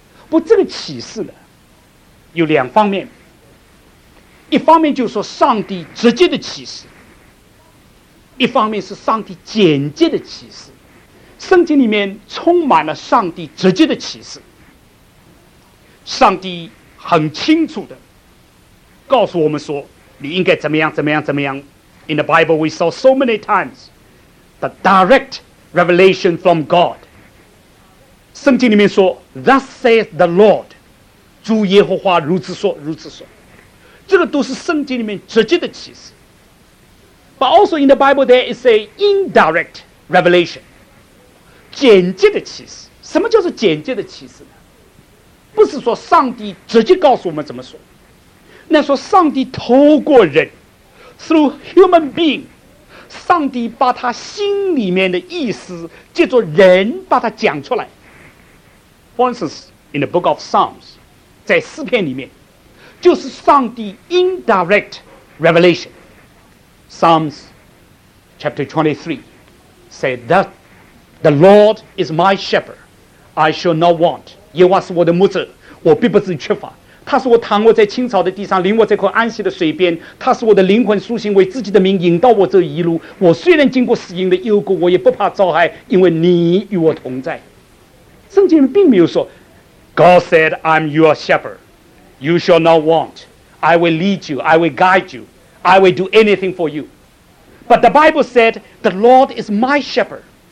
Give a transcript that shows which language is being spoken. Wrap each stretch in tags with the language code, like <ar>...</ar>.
<zh>不，这个启示呢有两方面，一方面就是说上帝直接的启示，一方面是上帝间接的启示。圣经里面充满了上帝直接的启示，上帝很清楚的告诉我们说你应该怎么样怎么样怎么样。</zh> <en>In the Bible we saw so many times the direct revelation from God.</en> <zh>圣经里面说</zh> <en>Thus saith the Lord,</en> <zh>主耶和华如此说如此说，这个都是圣经里面直接的启示。</zh> <en>But also in the Bible there is an indirect revelation,</en> <zh>间接的启示。什么叫做间接的启示呢？不是说上帝直接告诉我们怎么说，那说上帝透过人</zh> <en>through human being,</en> <zh>上帝把他心里面的意思借着人把他讲出来。</zh> <en>For instance, in the book of Psalms,</en> <zh>在诗篇里面就是上帝</zh> <en>indirect revelation. Psalms chapter 23 say that the Lord is my shepherd, I shall not want.</en> <zh>耶和华是我的牧者，我必不至于缺乏。他使我躺卧在青草的地上，领我在可安息的水边。他使我的灵魂苏醒，为自己的名引导我这一路。我虽然经过死荫的幽谷，我也不怕遭害，因为你与我同在。圣经并没有说</zh> <en>God said I'm your shepherd, you shall not want, I will lead you, I will guide you, I will do anything for you. But the Bible said the Lord is my shepherd.</en>